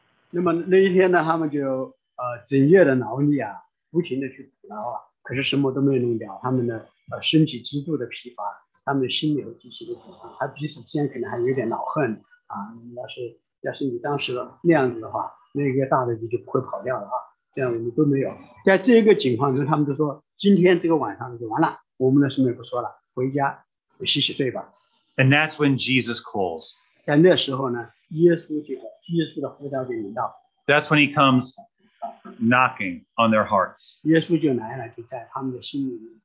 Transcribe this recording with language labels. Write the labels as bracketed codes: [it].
[zh] 那么那一天呢, 他们就, 整夜的劳力啊, 不停地去捕捞啊, 可是什么都没有弄掉, 他们的, 身体极度的疲乏, 他们的心里有极其的疲乏, 还彼此之间可能还有点恼恨, 啊, 要是, 要是你当时那样子的话, 那个大的鱼就不会跑掉了啊, 这样我们都没有, 在这个情况中, 他们就说, 今天这个晚上就完了, 我们的什么也不说了, 回家, 洗洗睡吧。 [en] And that's when Jesus calls. [zh] 在那时候呢, 耶稣就, 耶稣的呼召就领到, [en] that's when he comes knocking on their hearts. [zh] 耶稣就来了, 就在他们的心里,